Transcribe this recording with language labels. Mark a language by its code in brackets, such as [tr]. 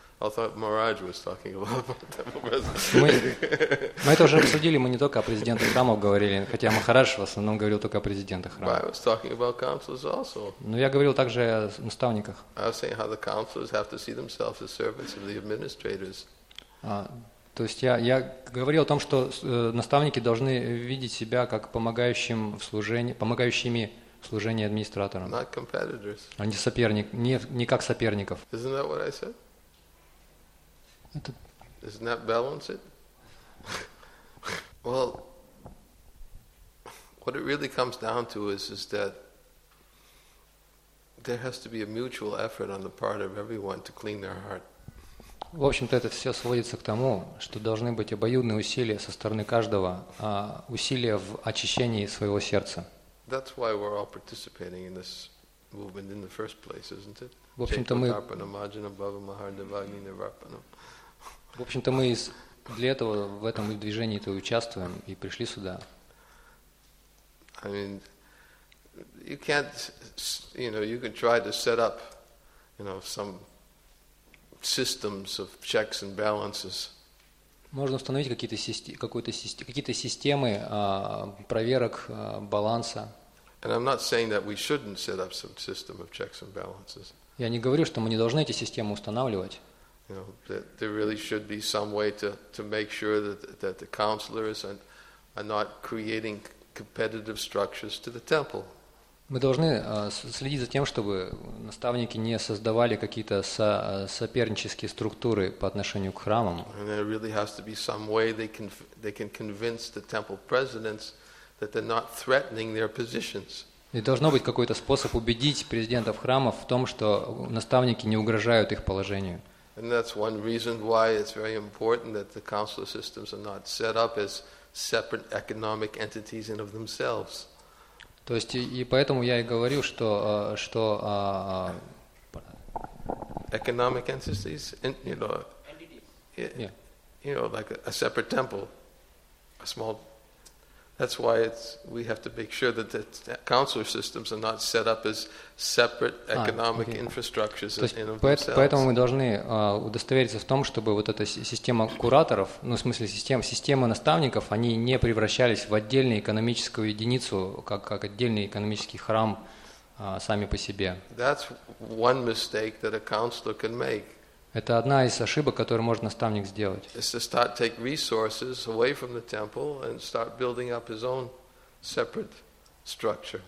[en] I thought Maharaj was talking about temple presidents. [ru] Мы это уже обсудили. Мы не только о президентах храмов говорили, хотя Махарадж в основном говорил только о президентах храмов. [en] But I was talking about counselors also. [ru] Но я говорил также о наставниках. [en] I was saying how the counselors have to see themselves as servants of the administrators. [ru] То есть я говорил о том, что наставники должны видеть себя как помогающим в служении, помогающими в служении администраторам. [en] Not competitors. [ru] А не соперник, не как соперников. [en] Isn't that what I said? Isn't that balance it? Well, what it really comes down to is that there has to be a mutual effort on the part of everyone to clean their heart. [ru] В общем-то, это все сводится к тому, что должны быть обоюдные усилия со стороны каждого, усилия в очищении своего сердца. [en] That's why we're all participating in this movement in the first place, isn't it? [ru] В общем-то, мы для этого в этом движении-то участвуем и пришли сюда. [en] I mean, you can't, you know, you can try to set up, you know, some systems of checks and balances. [ru] Можно установить какие-то системы проверок баланса. [en] And I'm not saying that we shouldn't set up some system of checks and balances. [ru] Я не говорю, что мы не должны эти системы устанавливать. [en] You know, that there really should be some way to make sure that the counselors are not creating competitive structures to the temple. [ru] Мы должны следить за тем, чтобы наставники не создавали какие-то сопернические структуры по отношению к храмам. [en] And there really has to be some way they can convince the temple presidents that they're not threatening their positions. [ru] И должно быть какой-то способ убедить президентов храмов в том, что наставники не угрожают их положению. [en] And that's one reason why it's very important that the counselor systems are not set up as separate economic entities in of themselves. [ru] То есть и поэтому я и говорю, что что [en] economic entities, like a separate temple, a small. That's why we have to make sure that the counselor systems are not set up as separate economic infrastructures in of themselves. [ru] Поэтому мы должны удостовериться в том, чтобы вот эта система кураторов, ну, в смысле система наставников, они не превращались в отдельную экономическую единицу, как отдельный экономический храм сами по себе. [en] That's one mistake that a counselor can make. [ru] Это одна из ошибок, которую может наставник сделать. [en] It's to start take resources away from the temple and start building up his own separate structure.